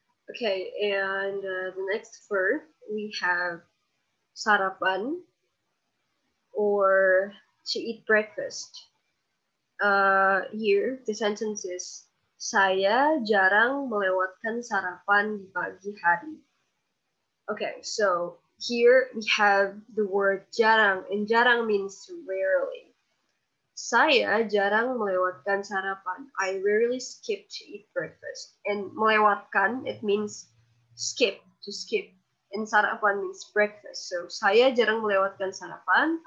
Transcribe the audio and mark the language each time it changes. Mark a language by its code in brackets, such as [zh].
[en] Okay, and the next verb we have sarapan or to eat breakfast. Here the sentence is [id] saya jarang melewatkan sarapan di pagi hari. [en] Okay, so here we have the word jarang, and jarang means rarely. [id] Saya jarang melewatkan sarapan. [en] I rarely skip to eat breakfast. And melewatkan, it means skip, to skip. And sarapan means breakfast. [id] So saya jarang melewatkan sarapan.